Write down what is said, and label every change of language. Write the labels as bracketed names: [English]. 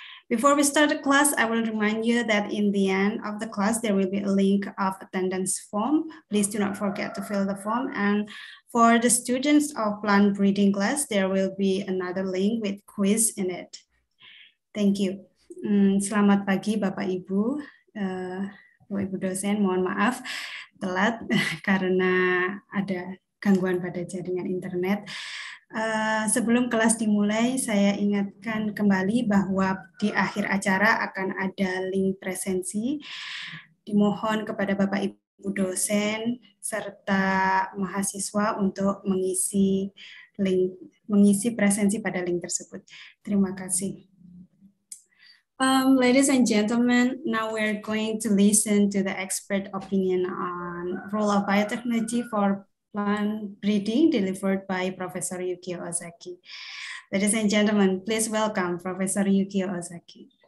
[English] Before we start the class, I will remind you that in the end of the class, there will be a link of attendance form. Please do not forget to fill the form. And for the students of plant breeding class, there will be another link with quiz in it. Thank you. [Indonesian] Selamat pagi, Bapak Ibu. Bapak Ibu dosen, mohon maaf telat karena ada gangguan pada jaringan internet. Sebelum kelas dimulai, saya ingatkan kembali bahwa di akhir acara akan ada link presensi. Dimohon kepada Bapak Ibu dosen serta mahasiswa untuk mengisi presensi pada link tersebut. Terima kasih. [English] Ladies and gentlemen, now we're going to listen to the expert opinion on role of biotechnology for plant breeding delivered by Professor Yukio Ozaki. Ladies and gentlemen, please welcome Professor Yukio Ozaki.